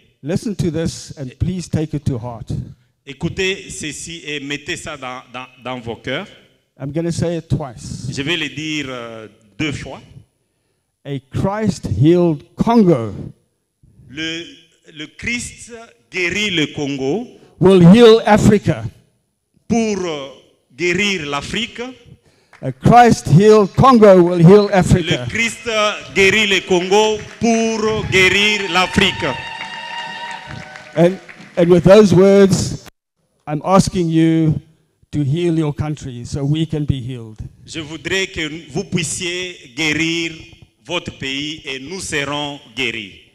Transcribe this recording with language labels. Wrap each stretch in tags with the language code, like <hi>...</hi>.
<en>Listen to this, and please take it to heart.</en> <fr>Écoutez ceci et mettez ça dans vos cœurs.</fr> <en>I'm going to say it twice.</en> <fr>Je vais le dire deux fois.</fr> <en>A Christ-healed Congo.</en> <fr>Le Christ guérit le Congo.</fr> <en>Will heal Africa.</en> <fr>Pour guérir l'Afrique.</fr> <en>A Christ-healed Congo will heal Africa.</en> <fr>Le Christ guérit le Congo pour guérir l'Afrique.</fr> <en>And with those words, I'm asking you to heal your country so we can be healed.</en> <fr>Je voudrais que vous puissiez guérir votre pays et nous serons guéris.</fr>